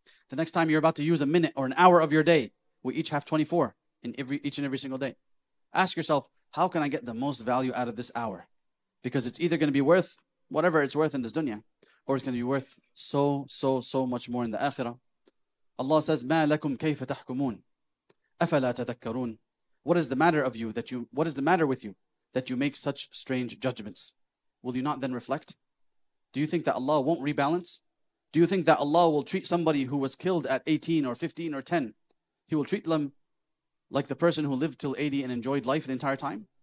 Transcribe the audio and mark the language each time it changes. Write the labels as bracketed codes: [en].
[en] The next time you're about to use a minute or an hour of your day, we each have 24 in each and every single day. Ask yourself, how can I get the most value out of this hour? Because it's either going to be worth whatever it's worth in this dunya, or it's going to be worth so, so, so much more in the akhirah. [ar] Allah says, مَا لَكُمْ كَيْفَ تَحْكُمُونَ أَفَلَا تَذَكَّرُونَ. [en] What is the matter of you that you? What is the matter with you that you make such strange judgments? Will you not then reflect? Do you think that Allah won't rebalance? Do you think that Allah will treat somebody who was killed at 18 or 15 or 10? He will treat them like the person who lived till 80 and enjoyed life the entire time?